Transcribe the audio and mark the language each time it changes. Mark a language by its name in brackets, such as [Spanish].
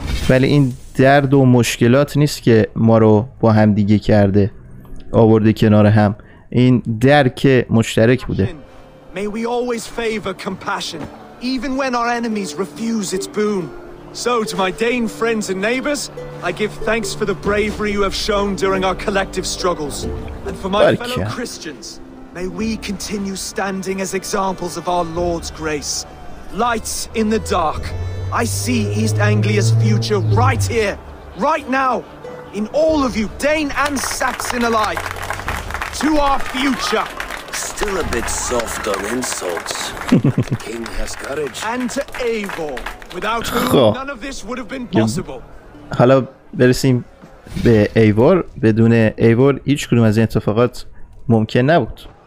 [Persian] ولی این درد و مشکلات نیست که ما رو با هم دیگه کرده، آورده کنار هم. این درک مشترک بوده. [English] May we always favor compassion even when our enemies refuse its boon. So to my Dane friends and neighbors, I give thanks for the bravery you have shown during our collective struggles. And for my fellow Christians, may we continue standing as examples of our Lord's grace. Lights in the dark. I see East Anglia's future right here, right now, in all of you, Dane and Saxon alike. To our future. Still a bit soft on insults. The king has courage. And to Eivor, without whom none of this would have been possible. [Persian] حالا برسیم به ایوار. بدون ایوار هیچ کدوم از این اتفاقات ممکن نبود.